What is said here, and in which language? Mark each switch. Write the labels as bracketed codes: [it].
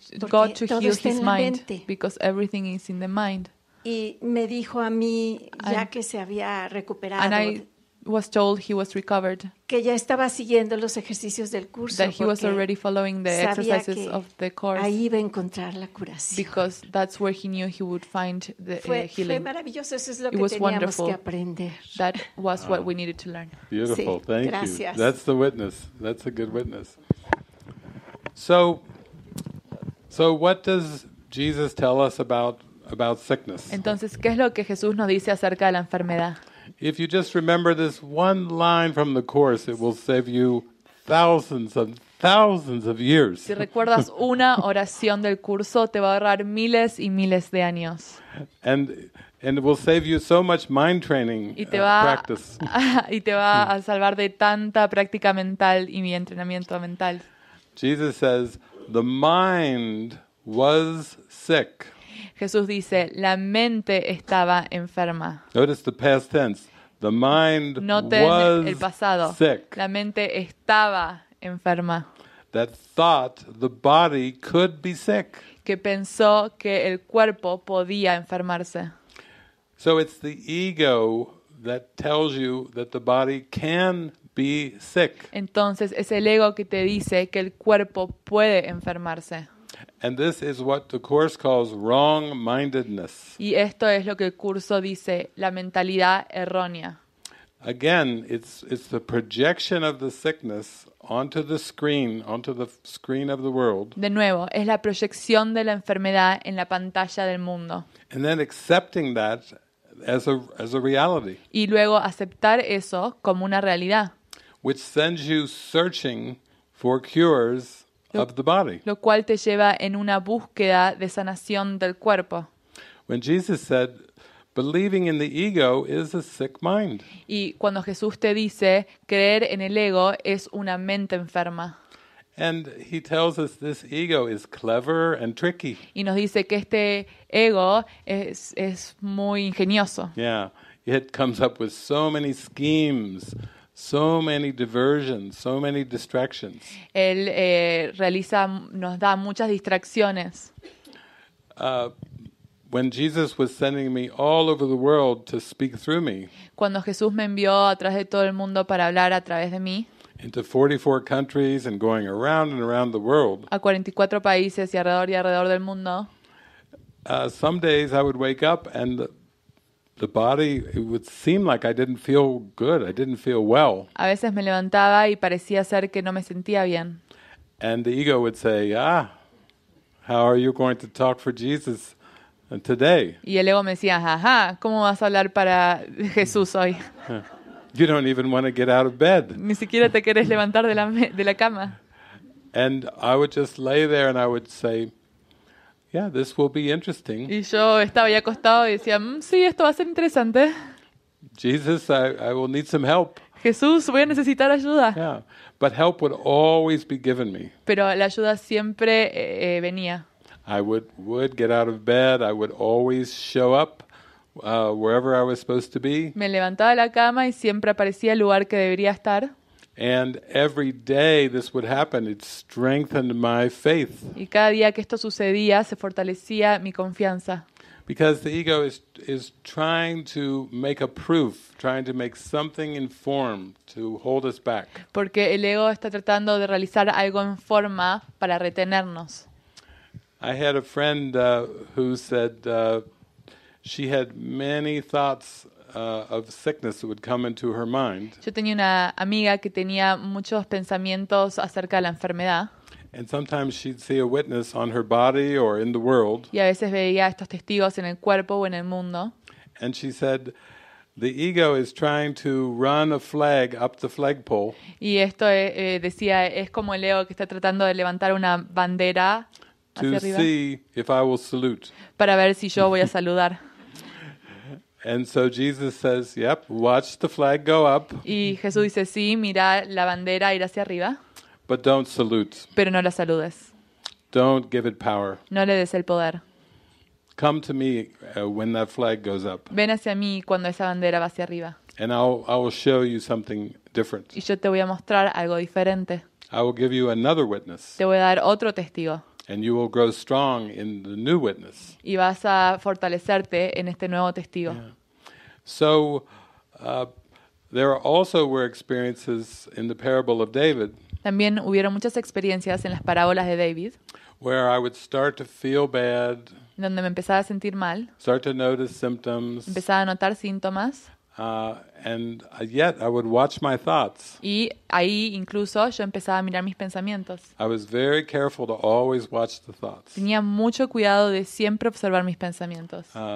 [en] God to heal his mind because everything is in the mind. [es] Y me dijo a mí ya que se había recuperado. [en] And I was told he was recovered. [es] Que ya estaba siguiendo los ejercicios del curso. [en] That he was already following the exercises of the course. [es] Ahí iba a encontrar la curación. [en] Because that's where he knew he would find the healing. [es] Fue maravilloso. Eso es lo que teníamos que aprender. [en] That was what we needed to learn. Beautiful. [es] Sí. [en] Thank [es] Gracias. [en] You. That's the witness. That's a good witness. So what does Jesus tell us about sickness? [es] Entonces, ¿qué es lo que Jesús nos dice acerca de la enfermedad? [en] If you just remember this one line from the course, it will save you thousands and thousands of years. [es] Si recuerdas una oración del curso, te va a ahorrar miles y miles de años. [en] And it will save you so much mind training practice. [es] Y te va a salvar de tanta práctica mental y mi entrenamiento mental. [en] Jesus says the mind was sick. [es] Jesús dice, la mente estaba enferma. [en] Notice the past tense. The mind [es] Noten [en] was [es] el pasado. [en] Sick. [es] La mente estaba enferma. [en] That thought the body could be sick. [es] Que pensó que el cuerpo podía enfermarse. [en] So it's the ego that tells you that the body can be sick. [es] Entonces es el ego que te dice que el cuerpo puede enfermarse. [en] And this is what the course calls wrong-mindedness. [es] Y esto es lo que el curso dice, la mentalidad errónea. [en] again, it's the projection of the sickness onto the screen of the world. [es] De nuevo, es la proyección de la enfermedad en la pantalla del mundo. [en] And then accepting that as a reality. [es] Y luego aceptar eso como una realidad. [en] Which sends you searching for cures of the body. [es] Lo cual te lleva en una búsqueda de sanación del cuerpo. [en] When Jesus said, believing in the ego is a sick mind. [es] Y cuando Jesús te dice, creer en el ego es una mente enferma. [en] And he tells us this ego is clever and tricky. [es] Y nos dice que este ego es muy ingenioso. [en] Yeah, it comes up with so many schemes. So many diversions, so many distractions. [es] Él realiza, nos da muchas distracciones. [en] When Jesus was sending me all over the world to speak through me. [es] Cuando Jesús me envió a través de todo el mundo para hablar a través de mí. [en] Into 44 countries and going around and around the world. [es] A 44 países y alrededor del mundo. [en] Some days I would wake up and the body, it would seem like I didn't feel good, I didn't feel well. [es] A veces me levantaba y parecía ser que no me sentía bien. [en] And the ego would say, ah, how are you going to talk for Jesus today? [es] Y el ego me decía, ajá, ¿cómo vas a hablar para Jesús hoy? [en] You don't even want to get out of bed. [es] Ni siquiera te querés levantar de la cama. [en] And I would just lay there and I would say, yeah, this will be interesting. [es] Y yo estaba ya acostado y decía, sí, esto va a ser interesante. [en] Jesus, I will need some help. [es] Jesús, voy a necesitar ayuda. [en] Yeah, but help would always be given me. [es] Pero la ayuda siempre venía. [en] I would get out of bed. I would always show up wherever I was supposed to be. [es] Me levantaba de la cama y siempre aparecía el lugar que debería estar. [en] And every day this would happen, it strengthened my faith. [es] Y cada día que esto sucedía, se fortalecía mi confianza. [en] Because the ego is trying to make a proof, trying to make something in form to hold us back. [es] Porque el ego está tratando de realizar algo en forma para retenernos. [en] I had a friend who said she had many thoughts of sickness that would come into her mind. [es] Yo tenía una amiga que tenía muchos pensamientos acerca de la enfermedad. [en] And sometimes she'd see a witness on her body or in the world. [es] Y a veces veía estos testigos en el cuerpo o en el mundo. [en] And she said, the ego is trying to run a flag up the flagpole. [es] Y esto decía es como el ego que está tratando de levantar una bandera [en] to see if I will salute. [es] Para ver si yo voy a saludar. [en] And so Jesus says, "Yep, watch the flag go up." [es] Y Jesús dice, "Sí, mira la bandera ir hacia arriba." [en] But don't salute. [es] Pero no la saludes. [en] Don't give it power. [es] No le des el poder. [en] Come to me when that flag goes up. [es] Ven hacia mí cuando esa bandera va hacia arriba. [en] And I will show you something different. [es] Y yo te voy a mostrar algo diferente. [en] I will give you another witness. [es] Te voy a dar otro testigo. [en] And you will grow strong in the new witness. [es] Y vas a fortalecerte en este nuevo testigo. [en] Yeah. So there also were experiences in the parable of David. [es] También hubieron muchas experiencias en las parábolas de David. [en] Where I would start to feel bad. [es] Donde me empezaba a sentir mal. [en] Start to notice symptoms. [es] Empezaba a notar síntomas. [en] And yet I would watch my thoughts. [es] Y ahí incluso yo empezaba a mirar mis pensamientos. [en] I was very careful to always watch the thoughts. [es] Tenía mucho cuidado de siempre observar mis pensamientos.